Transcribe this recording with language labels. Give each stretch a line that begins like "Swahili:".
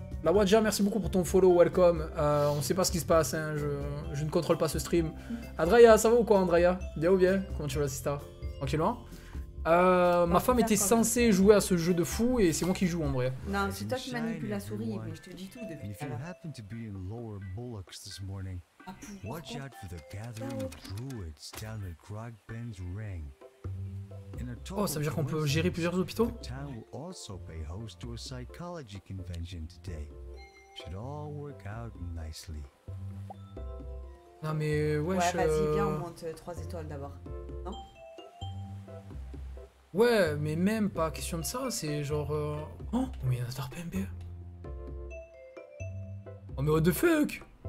French: La Wadja, merci beaucoup pour ton follow. Welcome. On sait pas ce qui se passe. Hein. Je ne contrôle pas ce stream. Andrea, ça va ou quoi, Andrea? Bien ou bien? Comment tu vas, l'assista? Tranquille, hein? Ma femme était censée jouer à ce jeu de fou et c'est moi qui joue en vrai. Non, c'est toi qui manipule la souris, mais je te dis tout depuis tout à l'heure.
English: Happened to be in Lower Bullocks this morning. Watch out for the gathering of druids down at Grogben's Ring.
French: Oh, ça veut dire qu'on peut gérer plusieurs hôpitaux?
English: The town will also pay host to a psychology convention today. Should all work out nicely.
French: Non mais wesh. Ouais, vas-y, viens, on monte 3 étoiles d'abord. Non? Ouais, mais même pas question de ça, c'est genre... Oh, mais il y a un StarPMB. Oh, mais
English: what the fuck?